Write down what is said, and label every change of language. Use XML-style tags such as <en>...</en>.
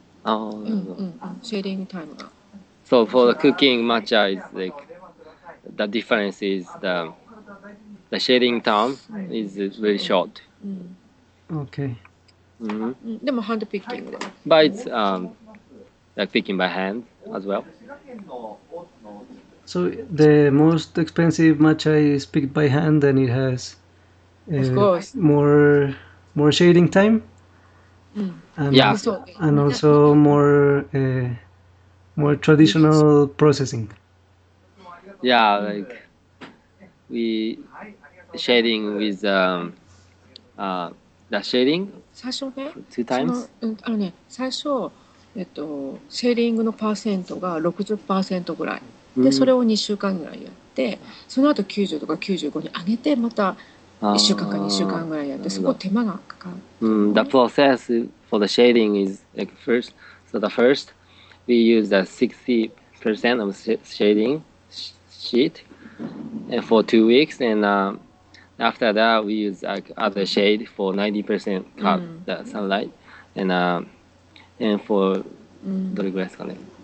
<ja>シェーディングタイムが。</ja> <en>So for the cooking matcha is like the difference is the. The shading time is very short. Okay.</en> <ja>でも</ja> <en>hand picking. But it's like picking by hand as well. So the most expensive matcha is picked by hand and it has more shading time? And also more traditional processing. Yeah, like we... Shading with the shading</en> <ja>最初ね</ja> <en>two times</en> <ja>あのね最初シェーディングのパーセントが 60% ぐらいでそれを2週間ぐらいやってその後90とか95に上げてまた1週間か2週間ぐらいやってそこ手間がかかる、</ja> <en>The process for the shading is like first so the first we use the 60% of shading sheet and for 2 weeks andAfter that, we use other shade for 90% cut the sunlight, and for</en> <ja>どれぐらいですかね？</ja>